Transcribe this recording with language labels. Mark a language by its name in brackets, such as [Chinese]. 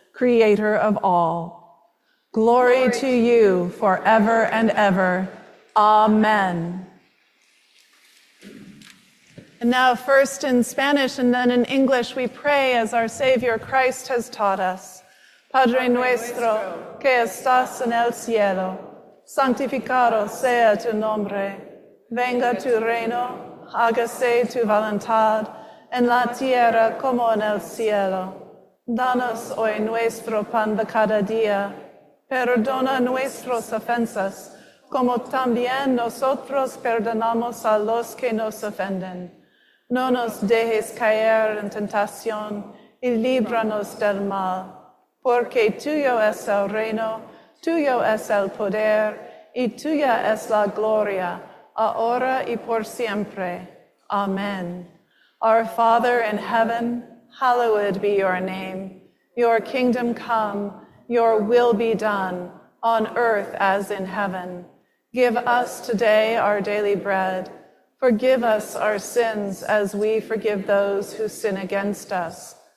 [English] Creator of all. Glory to you forever and ever. Amen. And now, first in Spanish and then in English, we pray as our Savior Christ has taught us. [Spanish] Padre nuestro, que estás en el cielo, santificado sea tu nombre. Venga tu reino, hágase tu voluntad, en la tierra como en el cielo. Danos hoy nuestro pan de cada día. Perdona nuestras ofensas, como también nosotros perdonamos a los que nos ofenden. No nos dejes caer en tentación, y líbranos del mal. Porque tuyo es el reino, tuyo es el poder, y tuya es la gloria, ahora y por siempre. Amen. [English] Our Father in heaven, hallowed be your name. Your kingdom come, your will be done, on earth as in heaven. Give us today our daily bread. Forgive us our sins as we forgive those who sin against us.